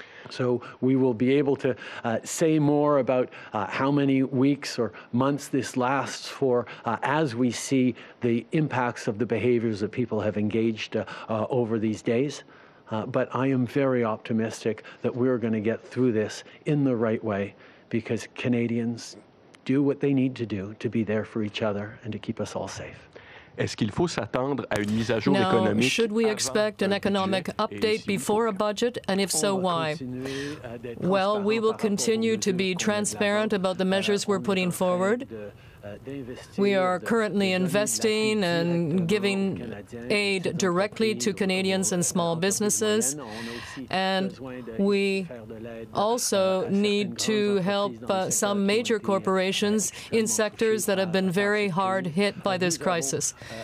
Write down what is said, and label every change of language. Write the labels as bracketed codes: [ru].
[en] So we will be able to say more about how many weeks or months this lasts for as we see the impacts of the behaviors that people have engaged over these days. But I am very optimistic that we're going to get through this in the right way because Canadians do what they need to do to be there for each other and to keep us all safe. [fr] Est-ce qu'il faut s'attendre à une mise à jour économique avant un budget? [en] Should we expect an economic update before a budget, and if so, why? Well, we will continue to be transparent about the measures we're putting forward. We are currently investing and giving aid directly to Canadians and small businesses, and we also need to help some major corporations in sectors that have been very hard hit by this crisis.